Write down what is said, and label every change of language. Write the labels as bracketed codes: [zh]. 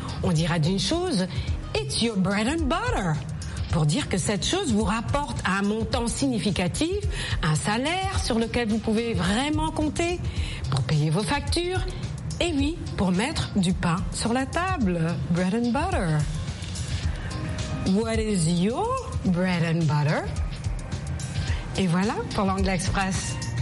[fr] On dira d'une chose, [en] it's your bread and butter. [fr] Pour dire que cette chose vous rapporte un montant significatif, un salaire sur lequel vous pouvez vraiment compter, pour payer vos factures, et oui, pour mettre du pain sur la table. [en] Bread and butter. What is your bread and butter? [fr] Et voilà pour l'Anglais Express.